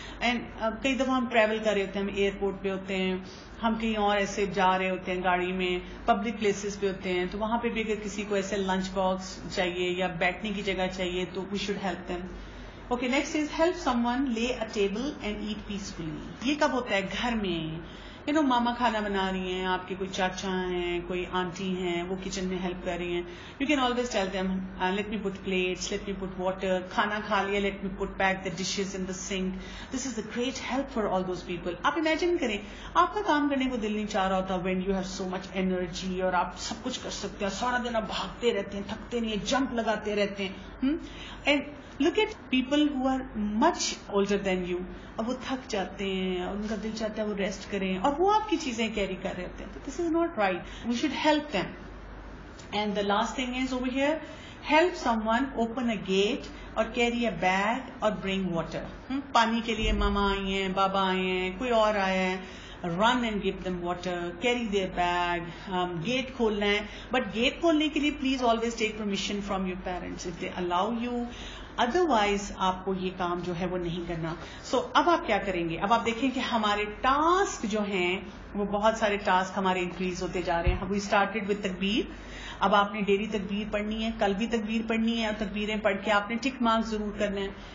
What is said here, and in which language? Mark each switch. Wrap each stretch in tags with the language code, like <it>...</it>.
<ur>And کئی دفعہ ہم ٹریول کر رہے ہوتے ہیں, ہم ایئرپورٹ پہ ہوتے ہیں, ہم کہیں اور ایسے جا رہے ہوتے ہیں گاڑی میں, پبلک پلیسز پہ ہوتے ہیں, تو وہاں پہ بھی اگر کسی کو ایسے لنچ باکس چاہیے یا بیٹھنے کی جگہ چاہیے تو</ur> <en>We should help them. Okay next is help someone lay a table and eat peacefully.</en> <ur>یہ کب ہوتا ہے؟ گھر میں,</ur> <en>you know</en> <ur>ماما کھانا بنا رہی ہیں, آپ کے کوئی چاچا ہیں, کوئی آنٹی ہیں, وہ کچن میں ہیلپ کر رہی ہیں.</ur> <en>you can always tell them let me put plates, let me put water,</en> <ur>کھانا کھا لیا</ur> <en>Let me put pick the dishes in the sink. This is a great help for all those people.</en> <ur>آپ imagine کریں آپ کا کام کرنے کو دل نہیں چاہ رہا ہوتا</ur> <en>when you have so much energy</en> <ur>اور آپ سب کچھ کر سکتے ہیں, سارا دن آپ بھاگتے رہتے ہیں, تھکتے نہیں ہیں, جمپ لگاتے رہتے ہیں.</ur> <en>and look at people who are much older than you,</en> <ur>اور وہ تھک جاتے ہیں اور ان کا دل چاہتا ہے وہ ریسٹ کریں اور وہ آپ کی چیزیں کیری کر رہے ہوتے ہیں.</ur> <en>This is not right, we should help them. And the last thing is over here, help someone open a gate or carry a bag or bring water.</en> <ur>پانی کے لیے ماما آئی ہیں, بابا آئے ہیں, کوئی اور آیا ہے,</ur> <en>run and give them water, carry their bag,</en> <ur>gate کھولنا ہے.</ur> <en>But gate</en> <ur>کھولنے کے لیے</ur> <en>please always take permission from your parents if they allow you.</en> <ur>Otherwise آپ کو یہ کام جو ہے وہ نہیں کرنا. سو اب آپ کیا کریں گے؟ اب آپ دیکھیں کہ ہمارے ٹاسک جو ہیں وہ بہت سارے ٹاسک ہمارے انکریز ہوتے جا رہے ہیں.</ur> <en>we started with takbir,</en> <ur>اب آپ نے ڈیلی تکبیر پڑھنی ہے, کل بھی تکبیر پڑھنی ہے, اور تکبیریں پڑھ کے آپ نے ٹک مارک ضرور کرنا ہے.</ur>